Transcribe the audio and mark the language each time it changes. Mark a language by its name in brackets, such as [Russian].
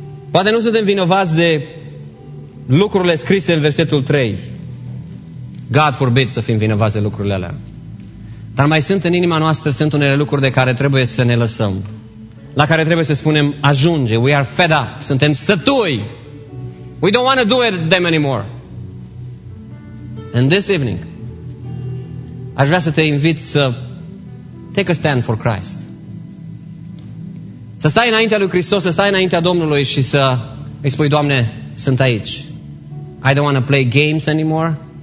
[Romanian] Poate nu suntem vinovați de lucrurile scrise în versetul 3. [English] God forbid [Romanian] să fim vinovați de lucrurile alea. Dar mai sunt în inima noastră, sunt unele lucruri de care trebuie să ne lăsăm. La care trebuie să spunem, ajunge, [English] we are fed up, [Romanian] suntem sătui. [English] We don't want to do it them anymore. And this evening, [Romanian] aș vrea să te invit să [English] take a stand for Christ. [Romanian] Să stai înaintea lui Hristos, să stai înaintea Domnului și să îi spui, Doamne, sunt aici. [English] I don't want to play games anymore.